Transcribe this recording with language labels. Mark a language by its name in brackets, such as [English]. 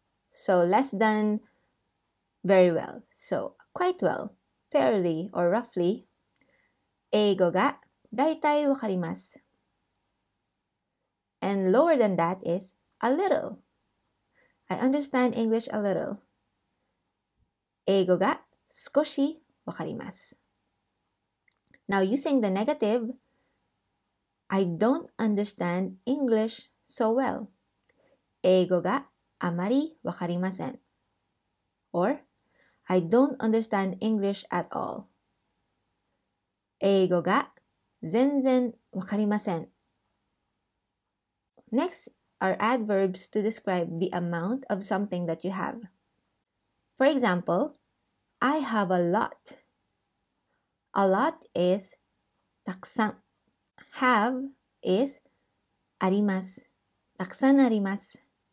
[English] So, less than very well. So, quite well, fairly or roughly, [Japanese] 英語がだいたいわかります。 [English] And lower than that is a little. I understand English a little. [Japanese] 英語が少しわかります。 [English] Now using the negative, I don't understand English so well. [Japanese] 英語があまりわかりません。 [English] Or, I don't understand English at all. [Japanese] 英語が全然わかりません。 [English] Next are adverbs to describe the amount of something that you have. For example, I have a lot. A lot is たくさん。 Have is [Japanese] あります。たくさんあります。